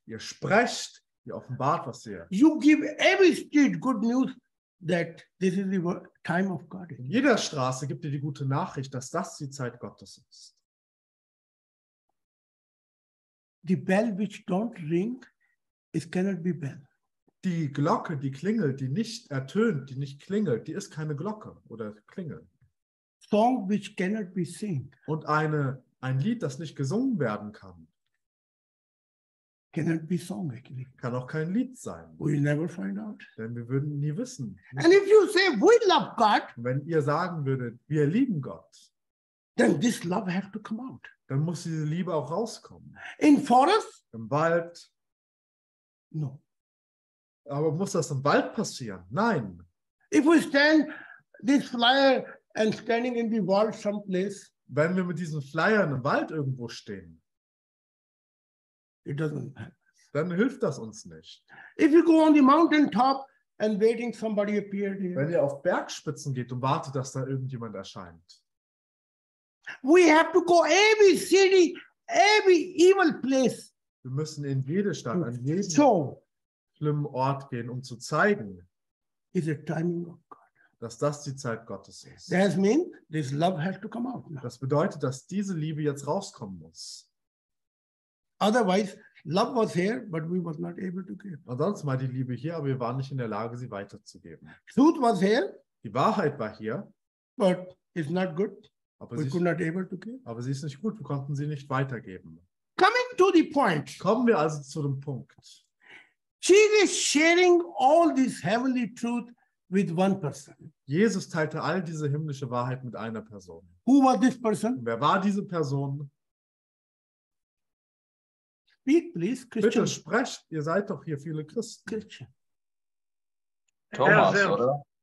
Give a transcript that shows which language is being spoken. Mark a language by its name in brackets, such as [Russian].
[German] Ihr sprecht, ihr offenbart, was ihr. [English] You give every street good news that this is the time of God. [German] In jeder Straße gibt ihr die gute Nachricht, dass das die Zeit Gottes ist. [English] The bell which don't ring, it cannot be bell. [German] Die Glocke, die klingelt, die nicht ertönt, die nicht klingelt, die ist keine Glocke oder Klingel. [English] Song which cannot be sing. [German] Und ein Lied, das nicht gesungen werden kann. [English] Cannot be song actually. [German] Kann auch kein Lied sein. [English] We'll never find out. [German] Denn wir würden nie wissen. [English] And if you say we love God, [German] wenn ihr sagen würdet, wir lieben Gott, [English] then this love have to come out. [German] Dann muss diese Liebe auch rauskommen. [English] In forest? [German] Im Wald? [English] No. [German] Aber muss das im Wald passieren? Nein. [English] If we stand this flyer and standing in the wall someplace, [German] wenn wir mit diesen Flyern im Wald irgendwo stehen, [English] it doesn't matter. [German] Dann hilft das uns nicht. [English] If you go on the mountain top and waiting somebody appeared here, [German] wenn ihr auf Bergspitzen geht und wartet, dass da irgendjemand erscheint, [English] we have to go every city, every evil place. [German] Wir müssen in jede Stadt, an jeden schlimmen Ort gehen, um zu zeigen, [English] is it timing of God? [German] Dass das die Zeit Gottes ist. [English] That means this love has to come out now. [German] Das bedeutet, dass diese Liebe jetzt rauskommen muss. [English] Otherwise, love was here, but we were not able to give. [German] Ansonsten war die Liebe hier, aber wir waren nicht in der Lage, sie weiterzugeben. [English] Truth was here. [German] Die Wahrheit war hier. [English] But it's not good. [German] Aber [English] we could not able to give. [German] Aber sie ist nicht gut. Wir konnten sie nicht weitergeben. [English] Coming to the point. [German] Kommen wir also zu dem Punkt. [English] Jesus sharing all this heavenly truth with one person. [German] Jesus teilte all diese himmlische Wahrheit mit einer Person. [English] Who was this person? [German] Wer war diese Person? [English] Speak, please, Christian. [German] Bitte sprecht, ihr seid doch hier viele Christen. [English] Christian. [German] Thomas, oder?